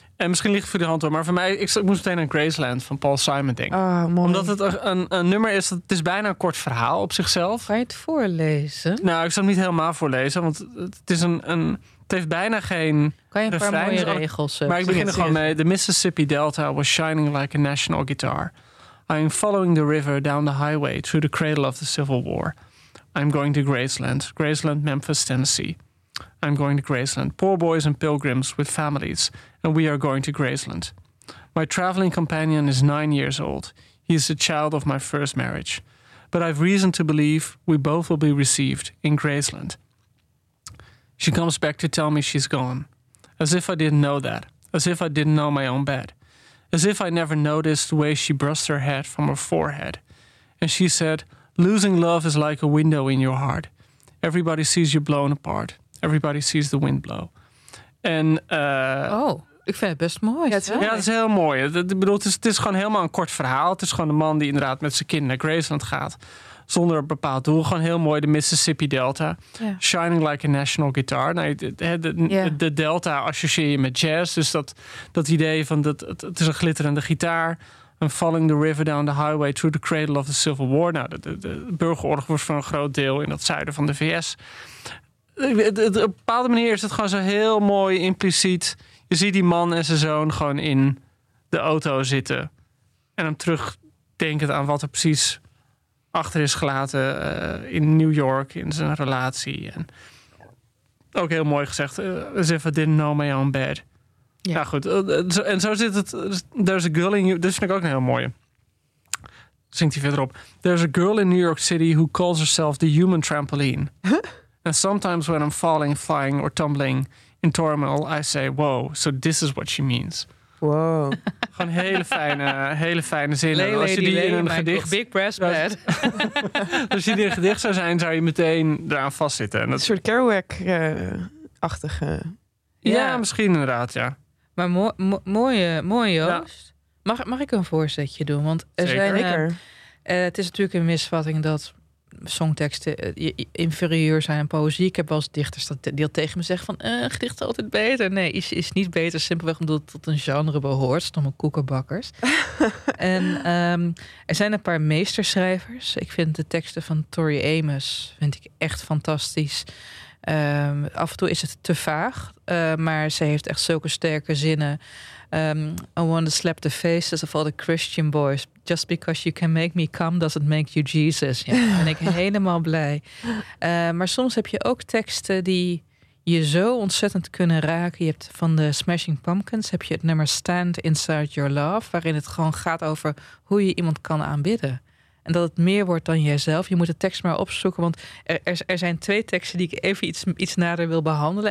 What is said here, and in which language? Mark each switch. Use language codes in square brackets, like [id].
[nl] En misschien ligt het voor de hand hoor, maar voor mij, ik moest meteen aan Graceland van Paul Simon denken. Oh, mooi. Omdat het een nummer is, het is bijna een kort verhaal op zichzelf. Ga je het voorlezen? Nou, ik zal het niet helemaal voorlezen, want het is een het heeft bijna geen... Kan je een paar mooie regels? Maar ik begin er gewoon mee. [en] The Mississippi Delta was shining like a national guitar. I am following the river down the highway through the cradle of the Civil War. I'm going to Graceland. Graceland, Memphis, Tennessee. I'm going to Graceland. Poor boys and pilgrims with families. And we are going to Graceland. My traveling companion is 9 years old. He is the child of my first marriage. But I've reason to believe we both will be received in Graceland. She comes back to tell me she's gone. As if I didn't know that. As if I didn't know my own bed. As if I never noticed the way she brushed her head from her forehead. And she said, losing love is like a window in your heart. Everybody sees you blown apart. Everybody sees the wind blow. [nl] En Ik vind het best mooi. Ja, het is heel mooi. Het is gewoon helemaal een kort verhaal. Het is gewoon een man die inderdaad met zijn kind naar Graceland gaat. Zonder een bepaald doel. Gewoon heel mooi. De Mississippi Delta. Ja. [en] Shining like a national guitar. [nl] Nou, de Delta associeer je met jazz. Dus dat idee van het is een glitterende gitaar. en [en] Falling the River Down the Highway Through the Cradle of the Civil War. [nl] Nou, de burgeroorlog was voor een groot deel in het zuiden van de VS. Op een bepaalde manier is het gewoon zo heel mooi impliciet. Je ziet die man en zijn zoon gewoon in de auto zitten. En hem terugdenkend aan wat er precies achter is gelaten in New York, in zijn relatie. En ook heel mooi gezegd, [en] as if I didn't know my own bed. [nl] Ja, nou goed. En zo zit het. [en] There's a girl in you. [nl] Dit vind ik ook een heel mooie. Zingt hij verderop. [en] There's a girl in New York City who calls herself the human trampoline. Huh? And sometimes when I'm falling, flying or tumbling in turmoil, I say, wow, so this is what she means. Wow. [nl] Gewoon hele fijne zinnen. Als je die in een gedicht... [en] Big breast bed. [nl] Als je die in een gedicht zou zijn, zou je meteen eraan vastzitten. Een soort Kerouac-achtige... Ja, ja, misschien inderdaad, ja. Maar mooie Joost. Ja. Mag ik een voorzetje doen? Want er zeker. Zijn, het is natuurlijk een misvatting dat songteksten inferieur zijn aan poëzie. Ik heb wel eens dichters die al tegen me zeggen van een gedicht is altijd beter. Nee, is niet beter. Simpelweg omdat het tot een genre behoort. Stomme koekenbakkers. En er zijn een paar meesterschrijvers. Ik vind de teksten van Tori Amos vind ik echt fantastisch. Af en toe is het te vaag. Maar ze heeft echt zulke sterke zinnen. [en] I want to slap the faces of all the Christian boys. Just because you can make me come doesn't make you Jesus. [nl] Ja, ben ik helemaal blij. Maar soms heb je ook teksten die je zo ontzettend kunnen raken. Je hebt van de Smashing Pumpkins heb je het nummer Stand Inside Your Love. Waarin het gewoon gaat over hoe je iemand kan aanbidden. En dat het meer wordt dan jijzelf. Je moet de tekst maar opzoeken. Want er zijn twee teksten die ik even iets nader wil behandelen.